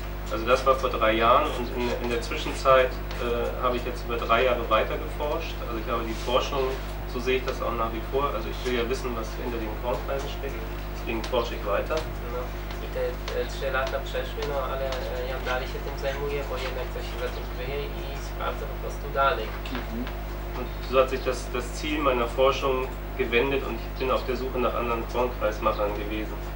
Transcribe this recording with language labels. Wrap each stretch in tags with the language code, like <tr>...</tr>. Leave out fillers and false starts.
<de>Also das war vor 3 Jahren und in der Zwischenzeit habe ich jetzt über 3 Jahre weiter geforscht. Also ich habe die Forschung, so sehe ich das auch nach wie vor. Also ich will ja wissen, was hinter den Kornkreisen steckt. Deswegen forsche ich weiter.</de> <pl>I te 3 lata przeszły, no ale ja dalej się tym zajmuję, bo jednak coś się za tym kryje i sprawdzę po prostu dalej.</pl> <de>Und so hat sich das Ziel meiner Forschung gewendet und ich bin auf der Suche nach anderen Kornkreismachern gewesen.</de>